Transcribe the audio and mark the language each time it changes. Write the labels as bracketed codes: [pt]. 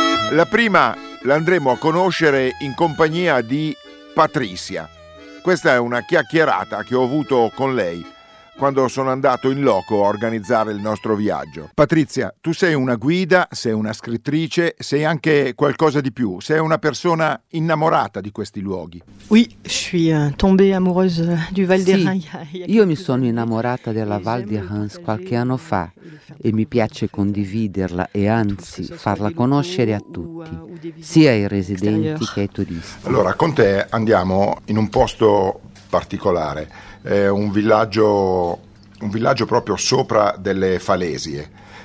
[it] La prima l'andremo a conoscere in compagnia di Patricia. Questa è una chiacchierata che ho avuto con lei quando sono andato in loco a organizzare il nostro viaggio. Patrizia, tu sei una guida, sei una scrittrice, sei anche qualcosa di più, sei una persona innamorata di questi luoghi. [fr] Oui, je suis tombée amoureuse du Val d'Eren. [it] Sì, io mi sono innamorata della Val d'Eren qualche anno fa e mi piace condividerla e anzi farla conoscere a tutti, sia ai residenti che ai turisti. Allora, con te andiamo in un posto particolare. È un villaggio proprio sopra delle falesie.